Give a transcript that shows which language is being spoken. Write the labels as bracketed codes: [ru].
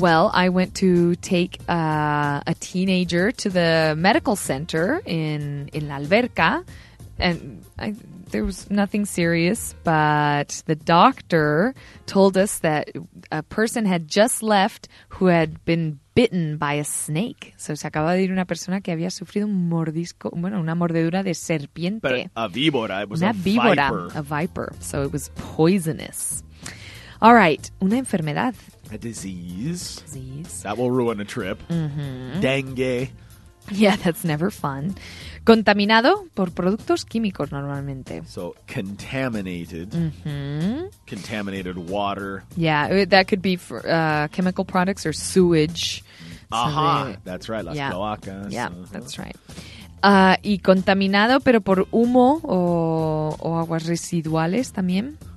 [en] Well, I went to take a teenager to the medical center in La Alberca. And there was nothing serious, but the doctor told us that a person had just left who had been bitten by a snake. [es] So se acaba de ir una persona que había sufrido un mordisco, bueno, una mordedura de serpiente. [en] But a víbora, it was [es] una [en] a víbora, viper. A viper, so it was poisonous. All right, [es] una enfermedad. [en] A disease. Disease. That will ruin a trip. Mm-hmm. [es] Dengue. [en] Yeah, that's never fun. [es] Contaminado por productos químicos normalmente. [en] So, contaminated. Mm-hmm. Contaminated water. Yeah, that could be for chemical products or sewage. Aha, uh-huh. That's right. [es] Las cloacas. [en] Yeah, yeah, uh-huh. That's right. [es] Y contaminado, pero por humo o aguas residuales también.